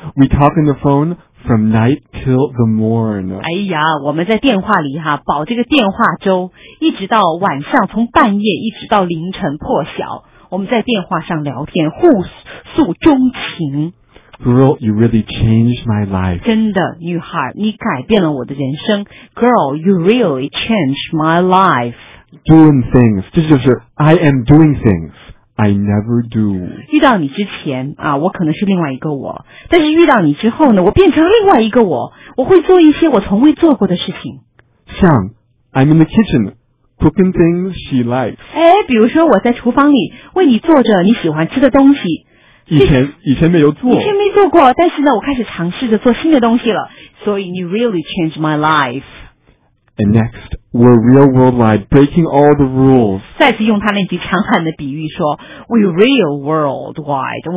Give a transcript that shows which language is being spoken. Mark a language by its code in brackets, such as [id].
[en] We talk on the phone from night till the morn. [zh] 哎呀，我们在电话里哈，保这个电话粥，一直到晚上，从半夜一直到凌晨破晓，我们在电话上聊天，互诉衷情。 [en] Girl, you really changed my life. [zh] 真的，女孩，你改变了我的人生。 [en] Girl, you really changed my life. Doing things. 这就是 I am doing things. I never do. [zh] 遇到你之前啊，我可能是另外一个我。但是遇到你之后呢，我变成另外一个我。我会做一些我从未做过的事情。 [en] 像 I'm in the kitchen, cooking things she likes. [zh] 哎，比如说我在厨房里为你做着你喜欢吃的东西。以前没有做，以前没做过，但是呢，我开始尝试着做新的东西了。所以 [en] ，you really changed my life. And next, we're real worldwide, breaking all the rules. [zh] 再次用他那句强悍的比喻说 ， [en] we're real worldwide.